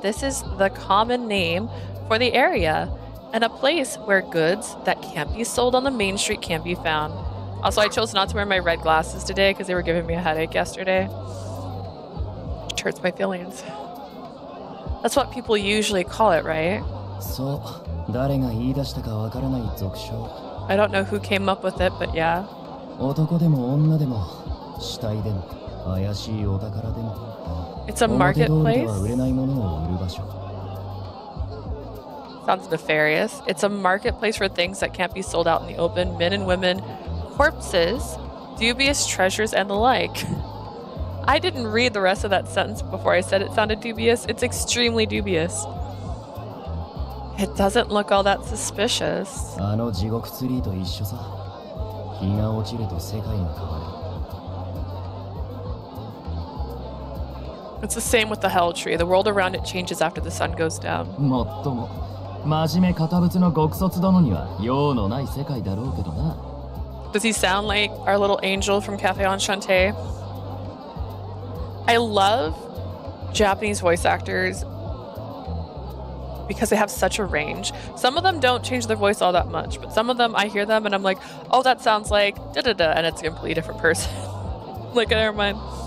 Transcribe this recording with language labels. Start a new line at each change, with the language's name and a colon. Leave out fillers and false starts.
English: This is the common name for the area and a place where goods that can't be sold on the main street can be found. Also, I chose not to wear my red glasses today because they were giving me a headache yesterday. It hurts my feelings. That's what people usually call it, right?
Japanese: So, 誰が言い出したかわからない俗称。
English: I don't know who came up with it, but yeah.
Japanese: 男でも女でも、死体でも、怪しいお宝でも。
English: It's a marketplace?
Japanese: 表通りでは売れないものを売る場所。
English: Sounds nefarious. It's a marketplace for things that can't be sold out in the open. Men and women, corpses, dubious treasures, and the like. I didn't read the rest of that sentence before I said it sounded dubious. It's extremely dubious. It doesn't look all that suspicious.
Japanese: あの地獄ツリーと一緒さ。日が落ちると世界が変わる。
English: It's the same with the hell tree. The world around it changes after the sun goes down.
Japanese: もっとも。真面目堅物の極卒殿には用のない世界だろうけどな。
English: Does he sound like our little angel from Café Enchanté? I love Japanese voice actors because they have such a range. Some of them don't change their voice all that much, but some of them, I hear them and I'm like, oh, that sounds like da-da-da, and it's a completely different person. Like, never mind.